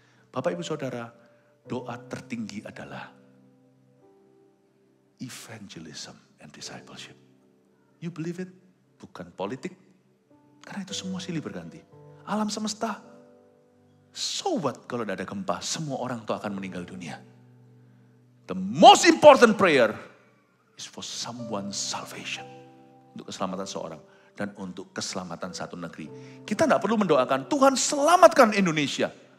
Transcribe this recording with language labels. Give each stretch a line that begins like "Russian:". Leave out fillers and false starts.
Indonesian: Bapak, Ibu, Saudara, doa tertinggi adalah
English: evangelism and discipleship. You believe it?
Indonesian: Bukan politik. Karena itu semua silih berganti. Alam semesta.
English: So what
Indonesian: kalau tidak ada gempa? Semua orang itu akan meninggal dunia.
English: The most important prayer is for someone's salvation.
Indonesian: Untuk keselamatan seorang. Dan untuk keselamatan satu negeri. Kita tidak perlu mendoakan, Tuhan selamatkan Indonesia.